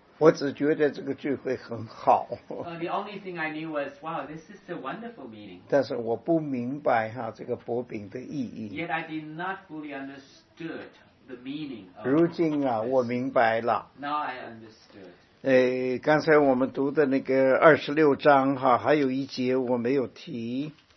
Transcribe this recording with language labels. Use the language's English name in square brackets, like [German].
[Chinese] 我只觉得这个聚会很好。 [English] The only thing I knew was, wow, this is a wonderful meeting. [Chinese] 但是我不明白哈这个薄饼的意义。 [English] Yet I did not fully understood the meaning of. [Chinese] 如今啊，我明白了。 [English] Now I understood. [Chinese] 刚才我们读的那个26章哈，还有一节我没有提。